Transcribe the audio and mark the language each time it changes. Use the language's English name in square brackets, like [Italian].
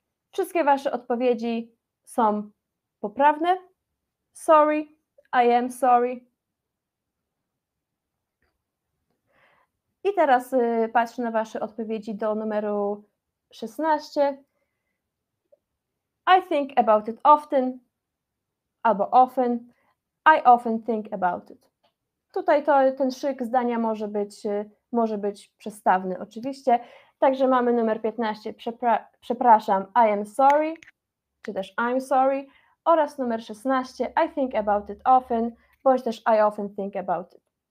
[Polish] Wszystkie Wasze odpowiedzi są poprawne. [English] Sorry. I am sorry. [Polish] I teraz patrzę na Wasze odpowiedzi do numeru 16. [English] I think about it often, albo often. I often think about it. [Polish] Tutaj ten szyk zdania może być przestawny oczywiście. Także mamy numer 15, przepraszam, [English] I am sorry, [Polish] czy też [English] I'm sorry, [Polish] oraz numer 16, [English] I think about it often, [Polish] bądź też [English] I often think about it.